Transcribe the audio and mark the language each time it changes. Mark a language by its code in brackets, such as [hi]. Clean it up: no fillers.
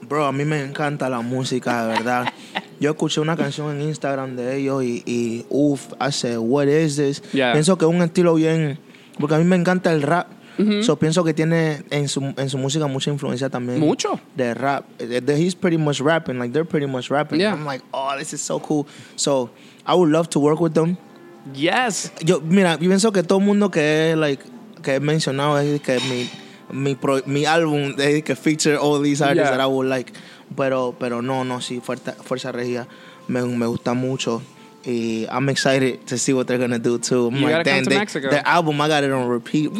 [es] Bro, a mí me encanta la música, de verdad. Yo escuché una canción en Instagram de ellos y uff, [en] I said, what is this? Yeah. [es] Pienso que es un estilo bien, porque a mí me encanta el rap. Uh-huh. So pienso que tiene en su música mucha influencia también. Mucho. De rap. [en] He's pretty much rapping. Like, they're pretty much rapping. Yeah. I'm like, oh, this is so cool. So I would love to work with them. Yes. [es] Yo, mira, yo pienso que todo mundo que like que he mencionado es que mi álbum es que [en] feature all these artists yeah. that I would like. [es] Pero no, sí, Fuerza Regia me gusta mucho. [en] I'm excited to see what they're gonna do too. I'm you like, gotta damn, come to Mexico. Their album, I got it on repeat, bro.